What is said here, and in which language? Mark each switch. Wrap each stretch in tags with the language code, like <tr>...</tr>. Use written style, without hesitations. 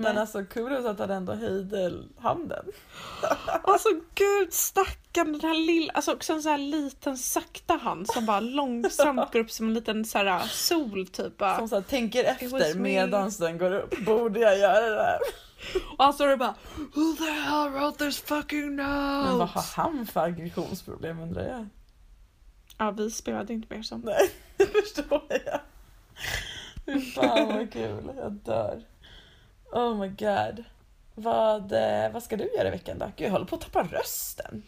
<sv>Men alltså kudos att han ändå höjde handen. Alltså gud stackaren, den här lilla, alltså också en sån här liten sakta hand som bara långsamt går upp som en liten så här sol typ. Som så här, tänker efter medans den går upp, borde jag göra det här? Och alltså det bara,</sv> <en>who the hell wrote this fucking notes?</en> <sv>Men vad har han för aggressionsproblem undrar jag? Ja, vi spelade inte mer som. Nej, förstår jag. Fan vad kul, jag dör.</sv> <en>Oh my god.</en> <sv>Vad ska du göra i veckan då? Gud, jag håller på att tappa rösten.</sv>